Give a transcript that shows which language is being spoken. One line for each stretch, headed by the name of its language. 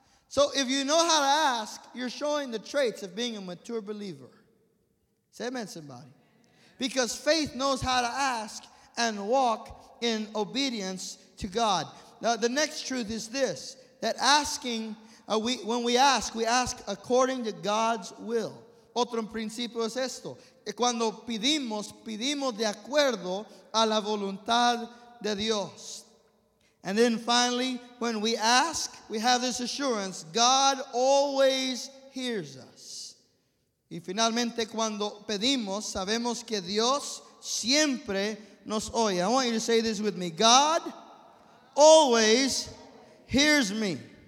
English: So if you know how to ask, you're showing the traits of being a mature believer. Say amen, somebody. Because faith knows how to ask and walk in obedience to God. Now, the next truth is this, that asking, when we ask according to God's will.
Spanish: Otro principio es esto. Cuando pedimos, pedimos de acuerdo a la voluntad de Dios.
English: And then finally, when we ask, we have this assurance, God always hears us.
Spanish: Y finalmente, cuando pedimos, sabemos que Dios siempre nos oye.
English: I want you to say this with me. God always hears me.